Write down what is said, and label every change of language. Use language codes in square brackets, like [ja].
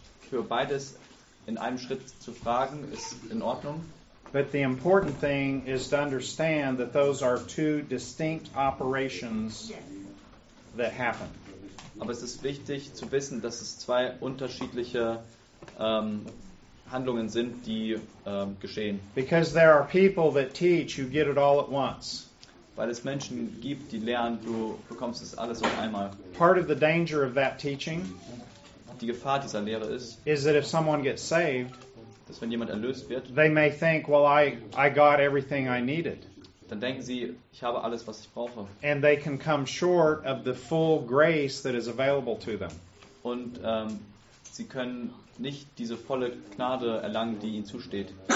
[de] Für beides in einem Schritt zu fragen ist in Ordnung. [en] But the important thing is to understand that those are two distinct operations that happen. [de] Aber es ist wichtig zu wissen, dass es zwei unterschiedliche Handlungen sind, die geschehen. [en] Because there are people that teach, you get it all at once. [de] Weil es Menschen gibt, die lernen, du bekommst es alles auf einmal. [en] Part of the danger of that teaching, [de] die Gefahr dieser Lehre ist, [en] is that if someone gets saved, [de] dass wenn jemand erlöst wird, [en] they may think, well, I got everything I needed. [de] Dann denken sie, ich habe alles, was ich brauche. [en] And they can come short of the full grace that is available to them. [de] Und sie können nicht diese volle Gnade erlangen, die ihnen zusteht.